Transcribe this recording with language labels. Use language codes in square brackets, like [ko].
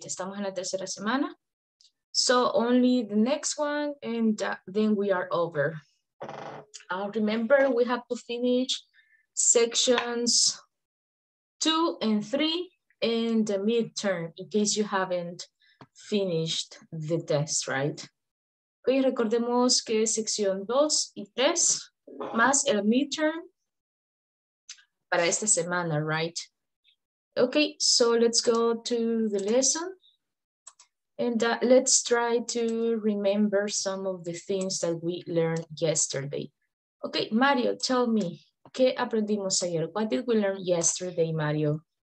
[es] Estamos en la tercera semana. [en] So only the next one, and then we are over. Remember, we have to finish sections 2 and 3 in the midterm, in case you haven't finished the test, right? [es] Hoy recordemos que sección 2 y 3 más el midterm para esta semana, right? [en] Okay, so let's go to the lesson. And let's try to remember some of the things that we learned yesterday. Okay, Mario, tell me, [es] ¿qué aprendimos ayer? [en] What did we learn yesterday, Mario?